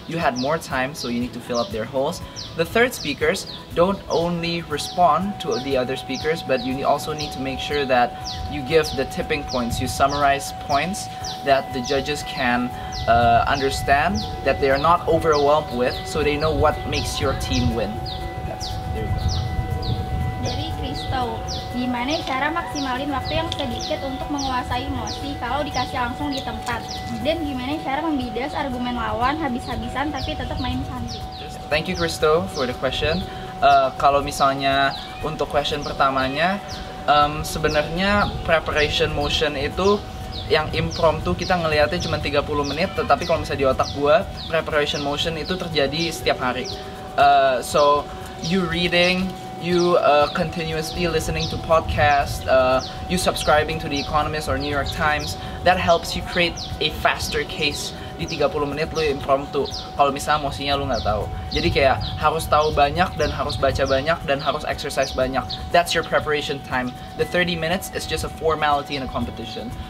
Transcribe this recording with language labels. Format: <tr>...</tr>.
<en>You had more time, so you need to fill up their holes. The third speakers, don't only respond to the other speakers, but you also need to make sure that you give the tipping points, you summarize points that the judges can understand, that they are not overwhelmed with, so they know what makes your team win. That's, there you go.</en> <id>Jadi Kristo, gimana cara maksimalin waktu yang sedikit untuk menguasai emosi kalau dikasih langsung di tempat? Dan gimana cara membidas argumen lawan habis-habisan tapi tetap main cantik?</id> <en>Thank you Kristo for the question.</en> <id>Kalau misalnya untuk question pertamanya, sebenarnya preparation motion itu yang impromptu kita ngelihatnya cuma 30 menit, tetapi kalau misalnya di otak gua, preparation motion itu terjadi setiap hari.</id> <en>So you reading, you continuously listening to podcasts, you subscribing to The Economist or New York Times, that helps you create a faster case.</en> <id>Di 30 menit lu impromptu kalau misalnya emosinya lu nggak tahu, jadi kayak harus tahu banyak dan harus baca banyak dan harus exercise banyak.</id> <en>That's your preparation time. The 30 minutes is just a formality in a competition.</en>